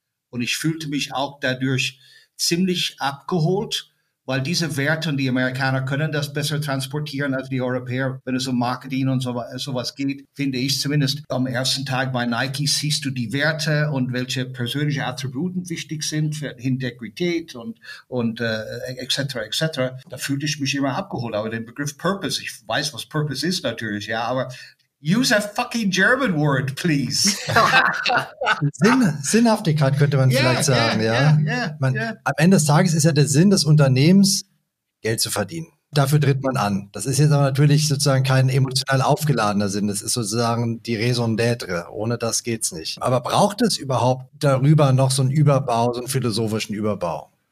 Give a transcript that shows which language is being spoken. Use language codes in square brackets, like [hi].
[de] Und ich fühlte mich auch dadurch ziemlich abgeholt, weil diese Werte, und die Amerikaner können das besser transportieren als die Europäer, wenn es um Marketing und sowas geht, finde ich zumindest. Am ersten Tag bei Nike siehst du die Werte und welche persönlichen Attributen wichtig sind für Integrität und etc. Da fühlte ich mich immer abgeholt. Aber den Begriff Purpose, ich weiß, was Purpose ist natürlich, ja, aber [en] Use a fucking German word, please. [de] Sinnhaftigkeit könnte man vielleicht sagen, ja. Am Ende des Tages ist ja der Sinn des Unternehmens, Geld zu verdienen. Dafür tritt man an. Das ist jetzt aber natürlich sozusagen kein emotional aufgeladener Sinn. Das ist sozusagen die raison d'être. Ohne das geht's nicht. Aber braucht es überhaupt darüber noch so einen Überbau, so einen philosophischen Überbau?